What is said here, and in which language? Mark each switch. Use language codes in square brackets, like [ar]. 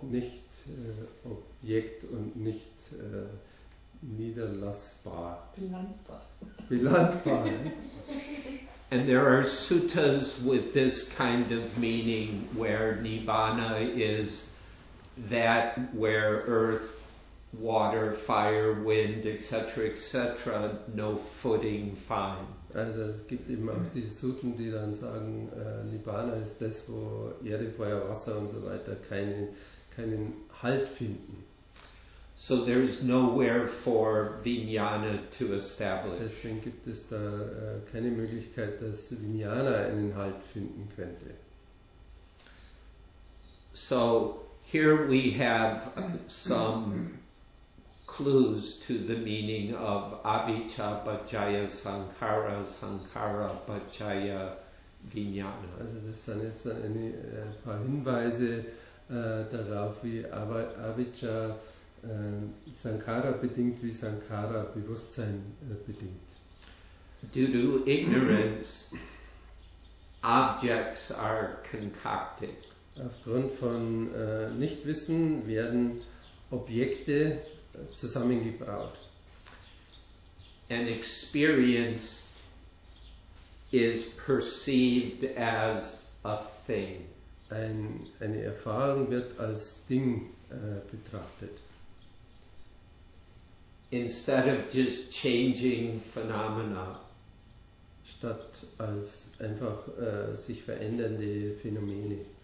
[de] Also nicht Objekt und nicht niederlassbar. Belandbar. [en] And there are suttas with this kind of meaning where Nibbana is that where earth, water, fire, wind, etc., etc., no footing find. [de] Also es gibt eben auch diese Sutten, die dann sagen, Nibbana ist das, wo Erde, Feuer, Wasser und so weiter keinen Halt finden. [en] So there is nowhere for vijnana to establish. [de] Deswegen gibt es da keine Möglichkeit, dass vijnana einen Halt finden könnte. [en] So here we have some clues to the meaning of [pi] avijja bhajaya sankhara, sankhara bhajaya vijnana. [de] Also das sind jetzt ein paar Hinweise darauf, wie avijja Sankhara bedingt wie Sankhara Bewusstsein bedingt. [en] Due to ignorance, objects are concocted. [de] Aufgrund von Nichtwissen werden Objekte zusammengebraut. [en] An experience is perceived as a thing. [de] Eine Erfahrung wird als Ding betrachtet. [en] instead of just changing phenomena. [de] Statt als einfach sich verändernde Phänomene.